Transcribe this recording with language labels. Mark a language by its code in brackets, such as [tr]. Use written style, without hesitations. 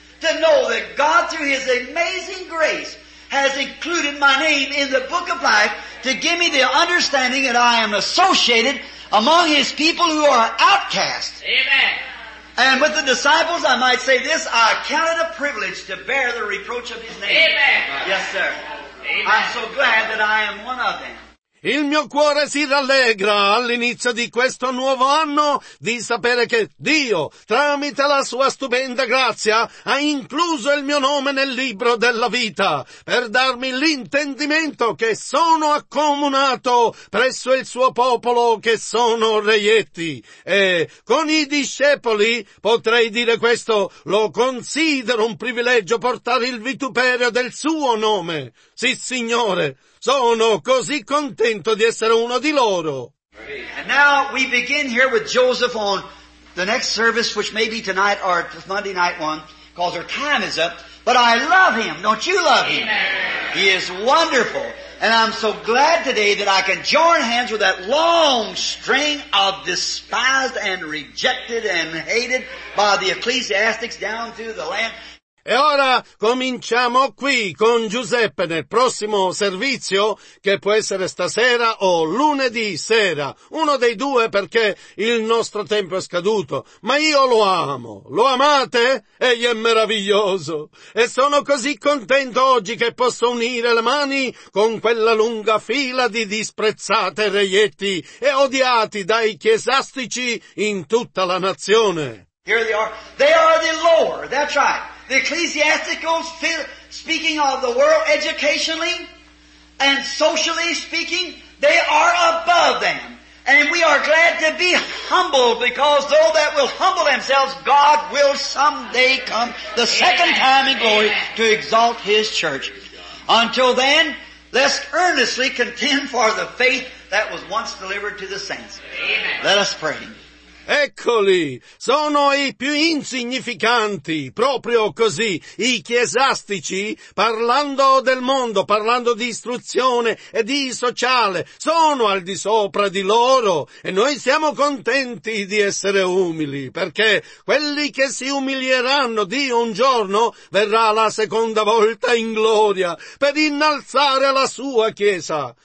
[en] to know that God, through His amazing grace, has included my name in the book of life to give me the understanding that I am associated among His people who are outcasts. Amen. And with the disciples, I might say this, I count it a privilege to bear the reproach of His name. Amen. Yes, sir. Amen. I'm so glad that I am one of them. [it] Il mio cuore si rallegra all'inizio di questo nuovo anno di sapere che Dio, tramite la sua stupenda grazia, ha incluso il mio nome nel libro della vita per darmi l'intendimento che sono accomunato presso il suo popolo, che sono reietti. E con i discepoli potrei dire questo: lo considero un privilegio portare il vituperio del suo nome. Sì, Signore. Sono così contento di essere uno di loro. [en] And now we begin here with Joseph on the next service, which may be tonight or Monday night one, because our time is up. But I love him. Don't you love him? Amen. He is wonderful. And I'm so glad today that I can join hands with that long string of despised and rejected and hated by the ecclesiastics down through the land. [it] E ora cominciamo qui con Giuseppe nel prossimo servizio, che può essere stasera o lunedì sera, uno dei due, perché il nostro tempo è scaduto. Ma io lo amo. Lo amate? Egli è meraviglioso. E sono così contento oggi che posso unire le mani con quella lunga fila di disprezzate reietti e odiati dai chiesastici in tutta la nazione. [en] Here they are. They are the lower. That's right. The ecclesiasticals, speaking of the world educationally and socially speaking, they are above them. And we are glad to be humbled, because though that will humble themselves, God will someday come the second time in glory to exalt His church. Until then, let's earnestly contend for the faith that was once delivered to the saints. Let us pray. [it] Eccoli, sono i più insignificanti, proprio così, i chiesastici, parlando del mondo, parlando di istruzione e di sociale, sono al di sopra di loro, e noi siamo contenti di essere umili, perché quelli che si umilieranno di un giorno verrà la seconda volta in gloria per innalzare la sua chiesa.